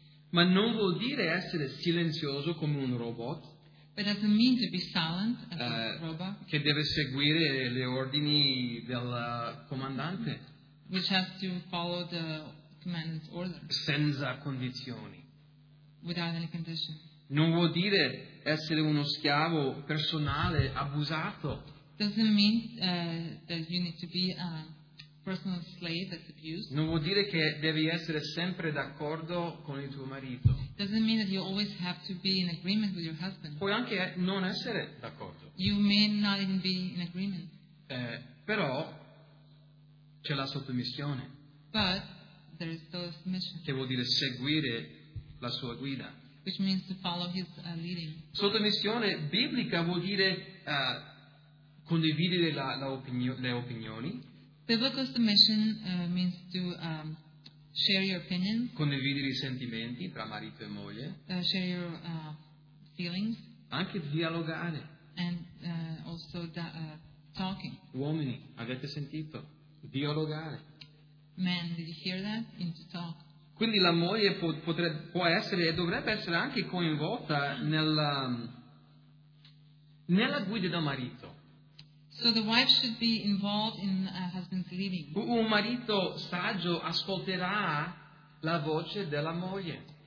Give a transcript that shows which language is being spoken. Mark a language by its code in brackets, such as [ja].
[it] Ma non vuol dire essere silenzioso come un robot. [en] But it doesn't mean to be silent as a robot. [it] Che deve seguire le ordini del comandante. [en] Which has to follow the commandant's order. [it] Senza condizioni. [en] Without any condition. [it] Non vuol dire essere uno schiavo personale abusato. [en] Doesn't mean that you need to be a personal slave that's abused. [it] Non vuol dire che devi essere sempre d'accordo con il tuo marito. [en] Doesn't mean that you always have to be in agreement with your husband. [it] Puoi anche non essere d'accordo. [en] You may not even be in agreement. [it] Però c'è la sottomissione. [en] But there is still a submission. [it] Che vuol dire seguire la sua guida. [en] Which means to follow his leading. [it] Sottomissione biblica vuol dire condividere le opinioni. [en] Biblical submission means to share your opinions. [it] Condividere i sentimenti tra marito e moglie. [en] Share your feelings. [it] Anche dialogare. [en] And also talking. [it] Uomini, avete sentito? Dialogare. [en] Men, did you hear that? And to talk. [it] Quindi la moglie può essere e dovrebbe essere anche coinvolta nella guida del marito. [en] So the wife should be involved in a husband's leading. [it] Un marito saggio ascolterà la voce della moglie.